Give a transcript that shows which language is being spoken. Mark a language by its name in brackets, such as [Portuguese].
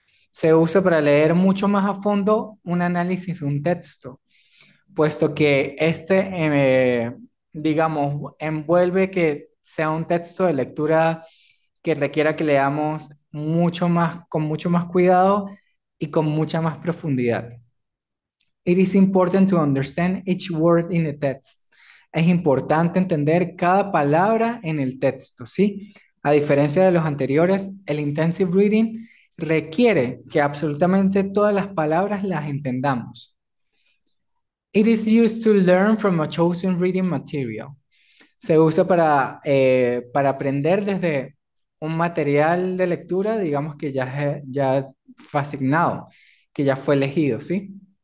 [Spanish] Se usa para leer mucho más a fondo un análisis de un texto, puesto que este, digamos, envuelve que sea un texto de lectura que requiera que leamos mucho más, con mucho más cuidado y con mucha más profundidad. [English] It is important to understand each word in the text. [Spanish] Es importante entender cada palabra en el texto, ¿sí? A diferencia de los anteriores, el intensive reading requiere que absolutamente todas las palabras las entendamos. [English] It is used to learn from a chosen reading material. [Spanish] Se usa para aprender desde un material de lectura, digamos que ya fue asignado, que ya fue elegido, ¿sí?